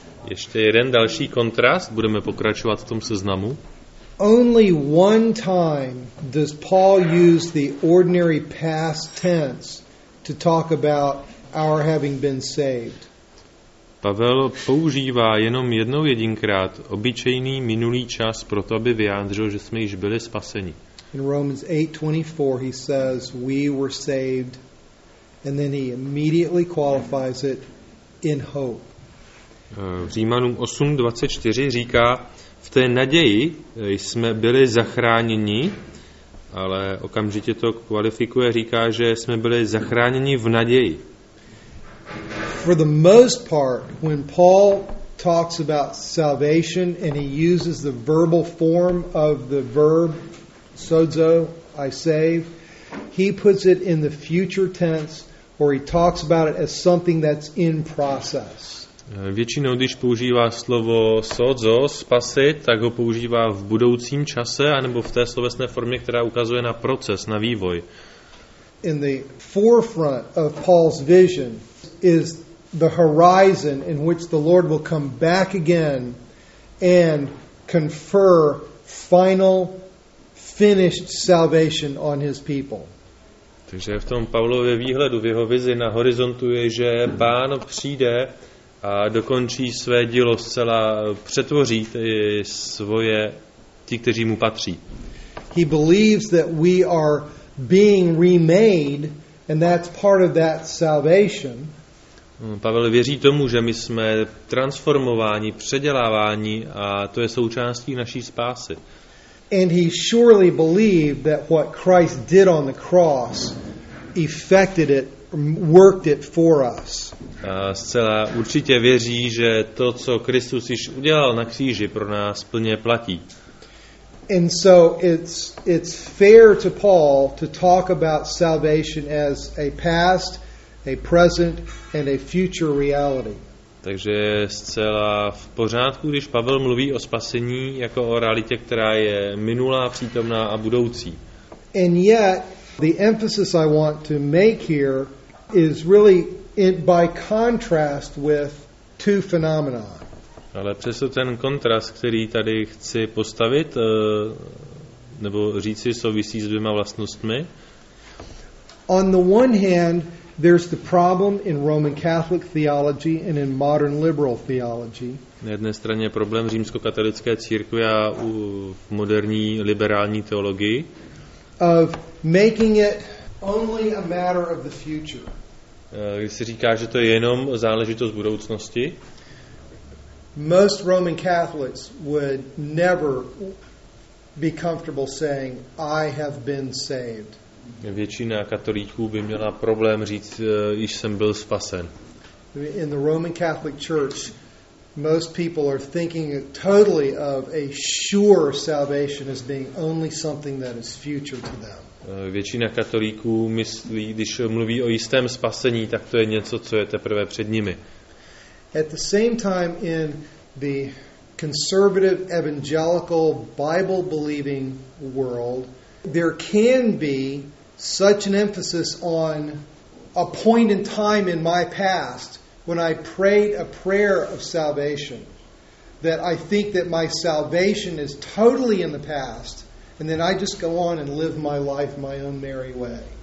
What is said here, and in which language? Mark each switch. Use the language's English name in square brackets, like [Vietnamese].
[Czech] Ještě jeden další kontrast, budeme pokračovat v tom seznamu. [English] Only one time does Paul use the ordinary past tense to talk about our having been saved. [Czech] Pavel používá jenom jednou jedinkrát obyčejný minulý čas pro to, aby vyjádřil, že jsme již byli spaseni. [English] In Romans 8:24 he says we were saved, and then he immediately qualifies it in hope. [Czech] V Římanům 8:24 říká, v té naději jsme byli zachráněni, ale okamžitě to kvalifikuje, říká, že jsme byli zachráněni v naději. [English] For the most part, when Paul talks about salvation and he uses the verbal form of the verb sozo, I save, he puts it in the future tense, or he talks about it as something that's in process. [Czech] Většinou, když používá slovo sozo, spasit, tak ho používá v budoucím čase anebo v té slovesné formě, která ukazuje na proces, na vývoj. [English] In the forefront of Paul's vision is the horizon in which the Lord will come back again and confer final, finished salvation on his people. [Czech] Takže v tom Pavlově výhledu, v jeho vizi na horizontu je, že Pán přijde a dokončí své dílo zcela, přetvoří svoje ti, kteří mu patří. [English] He believes that we are being remade, and that's part of that salvation. [Czech] Pavel věří tomu, že my jsme transformováni, předěláváni a to je součástí naší spásy. [English] And he surely believed that what Christ did on the cross effected it, worked it for us. [Czech] A zcela určitě věří, že to, co Kristus již udělal na kříži, pro nás plně platí. [English] And so it's fair to Paul to talk about salvation as a past, a present and a future reality. [Czech] Takže je zcela v pořádku, když Pavel mluví o spasení jako o realitě, která je minulá, přítomná a budoucí. [English] And yet the emphasis I want to make here is really in by contrast with two phenomena. [Czech] Ale přesto ten kontrast, který tady chci postavit nebo říci, souvisí s dvěma vlastnostmi. [English] On the one hand, there's the problem in Roman Catholic theology and in modern liberal theology. [Czech] Na jedné straně problém římskokatolické církve a v moderní liberální teologii. [English] Of making it only a matter of the future. [Czech] Když se říká, že to je jenom záležitost budoucnosti. [English] Most Roman Catholics would never be comfortable saying, I have been saved. [Czech] Většina katolíků by měla problém říct, již jsem byl spasen. [English] In the Roman Catholic Church, most people are thinking totally of a sure salvation as being only something that is future to them. [Czech] Většina katolíků myslí, když mluví o jistém spasení, tak to je něco, co je teprve před nimi. [English] At the same time, in the conservative evangelical Bible believing world, there can be such an emphasis on a point in time in my past when I prayed a prayer of salvation that I think that my salvation is totally in the past and then I just go on and live my life my own merry way.